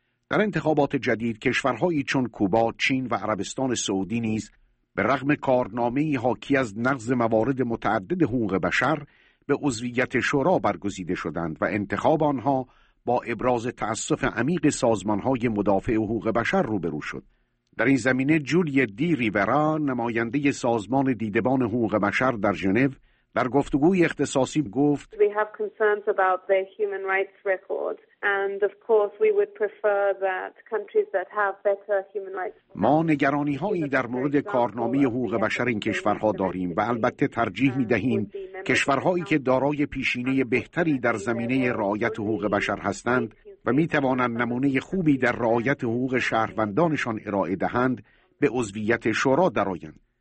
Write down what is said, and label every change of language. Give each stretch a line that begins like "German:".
Persian: در انتخابات جدید کشورهایی چون کوبا، چین و عربستان سعودی نیز به رغم کارنامه‌ای حاکی از نقض موارد متعدد حقوق بشر به عضویت شورا برگزیده شدند و انتخاب آنها با ابراز تأسف عمیق سازمان‌های مدافع حقوق بشر روبرو شد. در این زمینه جولی دی ریورا نماینده سازمان دیدبان حقوق بشر در ژنو در گفتگوی اختصاصی گفت
English: We have concerns about their human rights record and of course we would prefer that countries that have better human rights
Persian: ما نگرانی هایی در مورد کارنامه حقوق بشر این کشورها داریم و البته ترجیح می دهیم کشورهایی که دارای پیشینه بهتری در زمینه رعایت حقوق بشر هستند و می توانند نمونه خوبی در رعایت حقوق شهروندانشان ارائه دهند به عضویت شورا درآیند.